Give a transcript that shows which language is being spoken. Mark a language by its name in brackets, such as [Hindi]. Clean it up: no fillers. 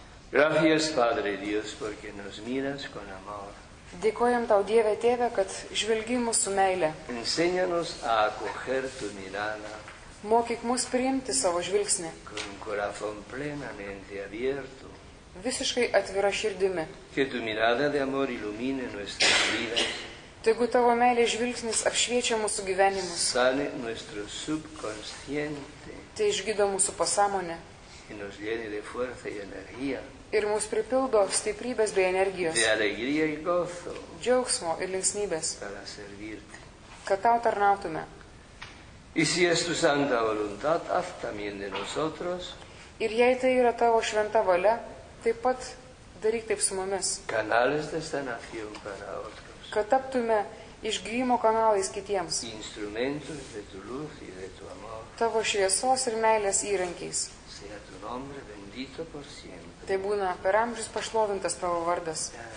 [Spanish] Gracias, Padre Dios, porque nos miras con amor. [Lithuanian] Dėkojam tau, Dieve Tėve, kad žvelgi mūsų meilę. [Spanish] Enséñanos a acoger tu mirada. [Lithuanian] Mokyk mus priimti savo žvilgsnį. [Spanish] Con un corazón plenamente abierto. [Lithuanian] Visiškai atvira širdimi. [Spanish] Que tu mirada de amor ilumine nuestras vidas. [Lithuanian] Tegu tavo meilės žvilgsnis apšviečia mūsų gyvenimus. [Spanish] Sane nuestro subconsciente. [Lithuanian] Tai išgydo mūsų pasąmonę. [Spanish] Y nos llene de fuerza y energía. [Lithuanian] Ir mus pripildo stiprybės bei energijos. [Spanish] De alegría y gozo. [Lithuanian] Džiaugsmo ir linksmybės. [Spanish] Para servirte. [Lithuanian] Kad tau tarnautume. [Spanish] Y si es tu santa voluntad, haz también de nosotros. [Lithuanian] Ir jei tai yra tavo šventa valia, taip pat daryk taip su mumis. [Spanish] Canales de sanación para otros. [Lithuanian] Kad taptume išgyjimo kanalais kitiems. [Spanish] Instrumentos de tu luz y de tu amor. [Lithuanian] Tavo šviesos ir meilės įrankiais. [Spanish] Sea tu nombre bendito por siempre. [Lithuanian] Tai būna per amžius pašlovintas tavo vardas.